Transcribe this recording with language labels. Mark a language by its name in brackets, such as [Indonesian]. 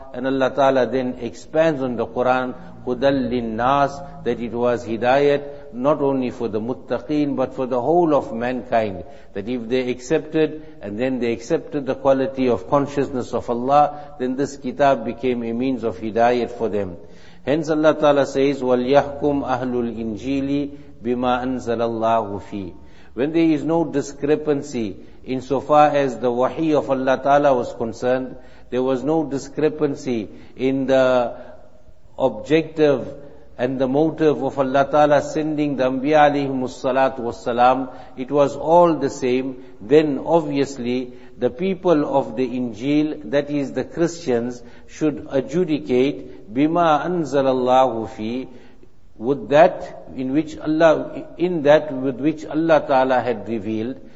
[English] And Allah Ta'ala then expands on the Quran, [Arabic] هُدَلْ لِلنَّاسِ, [English] that it was hidayat, not only for the muttaqeen, but for the whole of mankind, that if they accepted, and then they accepted the quality of consciousness of Allah, then this kitab became a means of hidayat for them. Hence Allah Ta'ala says, [Arabic] وَلْيَحْكُمْ أَهْلُ الْإِنْجِيلِ بِمَا أَنْزَلَ اللَّهُ فِيهِ. [English] When there is no discrepancy insofar as the wahi of Allah Ta'ala was concerned, there was no discrepancy in the objective and the motive of Allah Ta'ala sending the Anbiya alayhimu salatu wassalam, it was all the same, then obviously the people of the Injil, that is the Christians, should adjudicate [Arabic] bima anzalallahu fi, [English] with that in which Allah, in that with which Allah Ta'ala had revealed.